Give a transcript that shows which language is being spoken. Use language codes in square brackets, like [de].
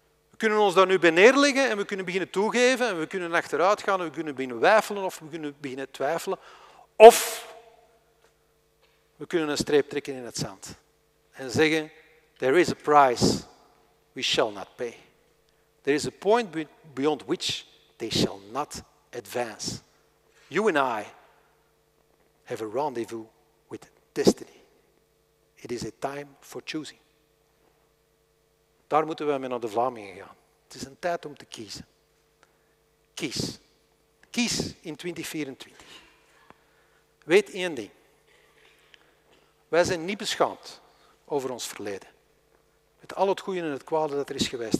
[nl] We kunnen ons daar nu bij neerleggen en we kunnen beginnen toegeven en we kunnen achteruit gaan en we kunnen beginnen wijfelen of we kunnen beginnen twijfelen. Of we kunnen een streep trekken in het zand en zeggen, [en] there is a price we shall not pay. There is a point beyond which they shall not advance. You and I have a rendezvous with destiny. It is a time for choosing. [nl] Daar moeten we mee naar de Vlamingen gaan. Het is een tijd om te kiezen. Kies. Kies in 2024. Weet één ding. Wij zijn niet beschaamd over ons verleden. Met al het goede en het kwade dat er is geweest.